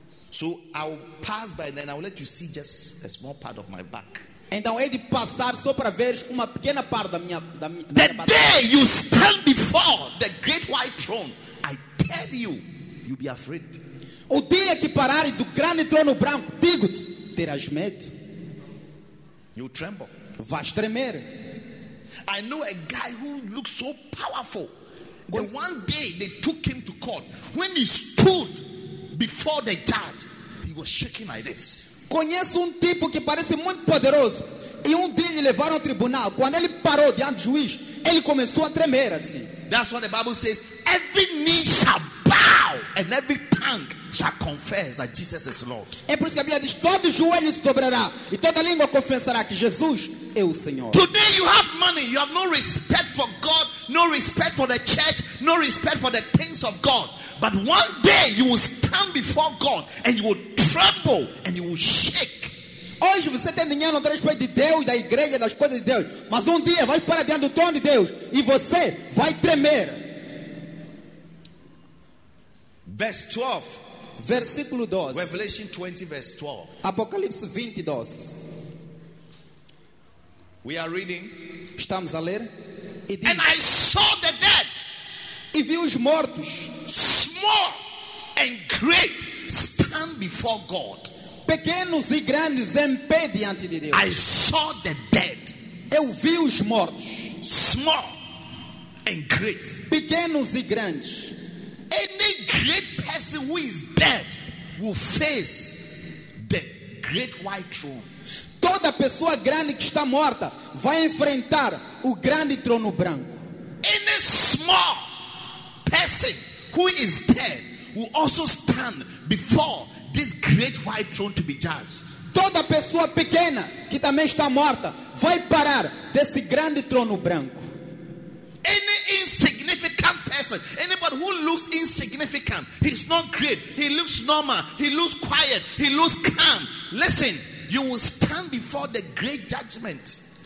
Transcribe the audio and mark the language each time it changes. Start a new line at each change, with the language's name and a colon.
English: So I will pass by then, I will let you see just a small part of my back.
Portuguese: Então é de passar só para ver uma pequena parte da minha
English: the day you stand before the great white throne, I tell you, you'll be afraid.
Portuguese: O dia que pararem do grande trono branco, digo-te, terás medo.
English: You tremble.
Portuguese: Vais tremer.
English: I know a guy who looks so powerful. But one day they took him to court. When he stood before the judge, he was shaking like this.
Portuguese: Conheço tipo que parece muito poderoso. E dia lhe levaram ao tribunal. Quando ele parou diante do juiz, ele começou a tremer assim.
English: That's what the Bible says. Every knee shall bow and every tongue shall confess that Jesus is Lord.
Portuguese: É por isso que a Bíblia diz, todo joelho se dobrará e toda língua confessará que Jesus é o Senhor.
English: Today you have money, you have no respect for God, no respect for the church, no respect for the things of God. But one day you will stand before God and you will tremble and you will shake.
Portuguese: Hoje você tem dinheiro, não tem respeito de Deus, da igreja, das coisas de Deus. Mas dia vai para dentro do trono de Deus e você vai tremer.
English: Verse 12.
Portuguese: Versículo 12.
English: Revelation 20, verse 12.
Portuguese: Apocalipse 20, 12.
English: We are reading.
Portuguese: Estamos a ler. E diz,
English: and I saw the dead.
Portuguese: E vi os mortos.
English: Small and great stand before God.
Portuguese: Pequenos e grandes em pé diante de Deus.
English: I saw the dead.
Portuguese: Eu vi os mortos.
English: Small and great.
Portuguese: Pequenos e grandes.
English: Any great person who is dead will face the great white throne.
Portuguese: Toda pessoa grande que está morta vai enfrentar o grande trono branco.
English: Any small person who is dead will also stand before this great white throne to be judged.
Portuguese: Toda pessoa pequena que também está morta vai parar desse grande trono branco.
English: Any insignificant person, anybody who looks insignificant, he's not great, he looks normal, he looks quiet, he looks calm. Listen, you will stand before the great judgment.